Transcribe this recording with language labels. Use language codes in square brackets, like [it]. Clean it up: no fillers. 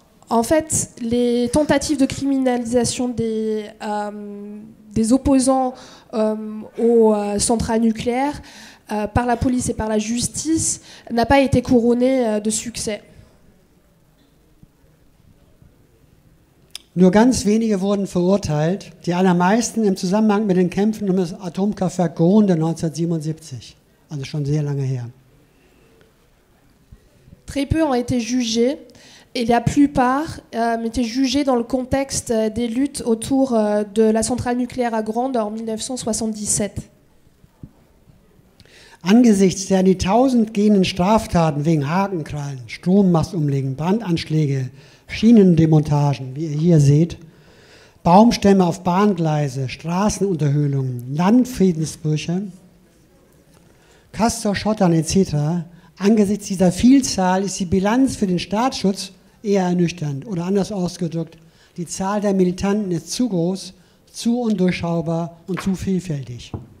[fr] En fait, les tentatives de criminalisation des opposants aux centrales nucléaires par la police et par la justice n'a pas été couronnée de succès. [de] Nur ganz wenige wurden verurteilt, die allermeisten im Zusammenhang mit den Kämpfen um das Atomkraftwerk Grohnde 1977, also schon sehr lange her. [fr] Très peu ont été jugés. Et la plupart étaient jugés dans le contexte des luttes autour de la centrale nucléaire à Grande en 1977. [de] Angesichts der an die tausend gehenden Straftaten wegen Hakenkrallen, Strommastumlegen, Brandanschläge, Schienendemontagen, wie ihr hier seht, Baumstämme auf Bahngleise, Straßenunterhöhlungen, Landfriedensbrüche, Castor-Schottern etc., angesichts dieser Vielzahl ist die Bilanz für den Staatsschutz eher ernüchternd oder anders ausgedrückt, die Zahl der Militanten ist zu groß, zu undurchschaubar und zu vielfältig.